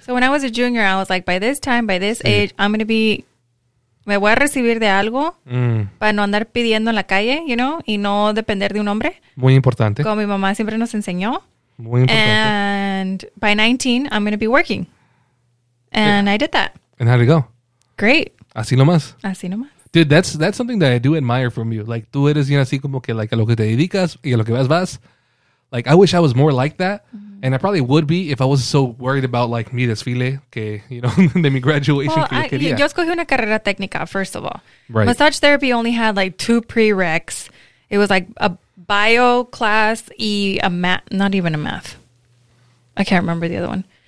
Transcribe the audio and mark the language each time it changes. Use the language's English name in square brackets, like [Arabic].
[English] So when I was a junior, I was like, by this age, I'm going to be, [Spanish] me voy a recibir de algo para no andar pidiendo en la calle, [English] you know, [Spanish] y no depender de un hombre. Muy importante. Como mi mamá siempre nos enseñó. Muy importante. [English] And by 19, I'm going to be working. And I did that. And how'd it go? Great. [Spanish] Así nomás. Así nomás. [English] Dude, that's something that I do admire from you. [Spanish] Like, tú eres así como que, like, a lo que te dedicas y a lo que vas. [English] Like, I wish I was more like that. Mm-hmm. And I probably would be if I was so worried about, like, [Spanish] mi desfile, que, [English] you know, [Spanish] de mi [English] graduation. Well, [Spanish] que yo escogí una carrera técnica, [English] first of all. Right. Massage therapy only had, like, two prereqs. It was, like, a bio class [Spanish] y a [English] math, not even a math. I can't remember the other one.